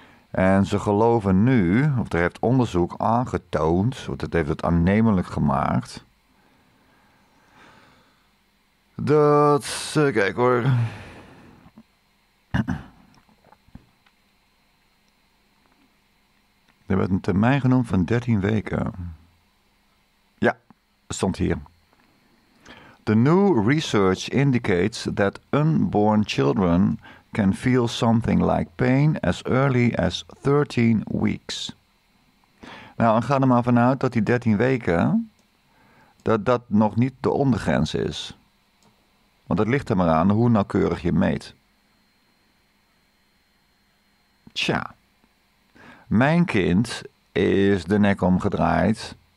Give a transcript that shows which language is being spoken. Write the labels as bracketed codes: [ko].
[nl] En ze geloven nu, of er heeft onderzoek aangetoond, of dat heeft het aannemelijk gemaakt, dat, kijk hoor. Er werd een termijn genoemd van 13 weken. Ja, stond hier. [en] The new research indicates that unborn children can feel something like pain as early as 13 weeks. [nl] Nou, dan ga er maar vanuit dat die 13 weken, dat nog niet de ondergrens is. Want het ligt er maar aan hoe nauwkeurig je meet. Tja. Mijn kind is de nek omgedraaid.